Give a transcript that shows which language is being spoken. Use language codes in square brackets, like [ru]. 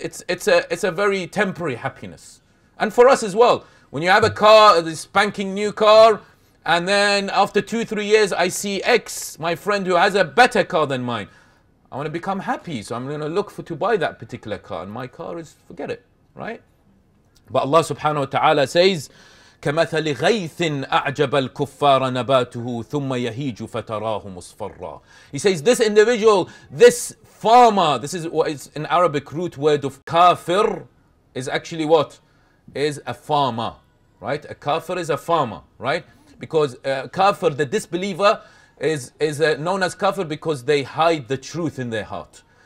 [en] It's a very temporary happiness. And for us as well, when you have a car, this spanking new car, and then after 2-3 years, I see X, my friend who has a better car than mine. I want to become happy, so I'm going to look to buy that particular car, and my car is, forget it, right? But Allah subhanahu wa ta'ala says, [ar] كَمَثَلِ غَيْثٍ أَعْجَبَ الْكُفَّارَ نَبَاتُهُ ثُمَّ يَهِيجُ فَتَرَاهُ مُصْفَرًّا. [en] He says, this individual, this farmer, this is what is an Arabic root word of kafir, is actually what? Is a farmer, right? A kafir is a farmer, right? Because kafir, the disbeliever, is known as kafir because they hide the truth in their heart.